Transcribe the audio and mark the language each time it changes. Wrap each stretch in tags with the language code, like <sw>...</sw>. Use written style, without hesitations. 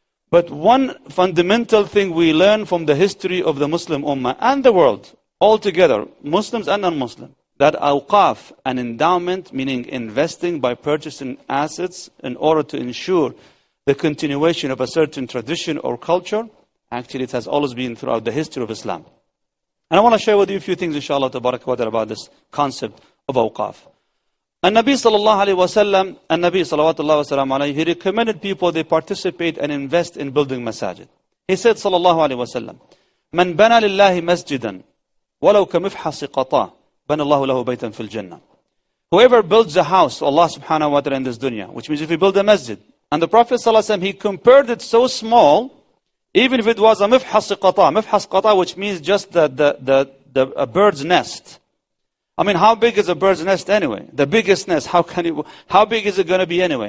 <en>But one fundamental thing we learn from the history of the Muslim Ummah and the world altogether, Muslims and non-Muslim, that awqaf, an endowment, meaning investing by purchasing assets in order to ensure the continuation of a certain tradition or culture, actually it has always been throughout the history of Islam. And I want to share with you a few things, inshallah, tabarak wa ta'ala, about this concept of awqaf. And Nabi sallallahu alayhi wa sallam, and Nabi sallallahu alayhi, he recommended people they participate and invest in building masajid. He said</en> <ar>sallallahu alayhi wa sallam, من بنى لله مسجدا ولو كمفحص قطا بنى الله له بيتا في الجنة.</ar> <en>Whoever builds a house, Allah subhanahu wa ta'ala, in this dunya, which means if you build a masjid, and the Prophet sallallahu alayhi wa sallam, he compared it so small, even if it was a</en> <ar>مفحص قطا, مفحص قطا,</ar> <en>which means just a bird's nest. I mean, how big is a bird's nest anyway? The biggest nest, how big is it going to be anyway?</en>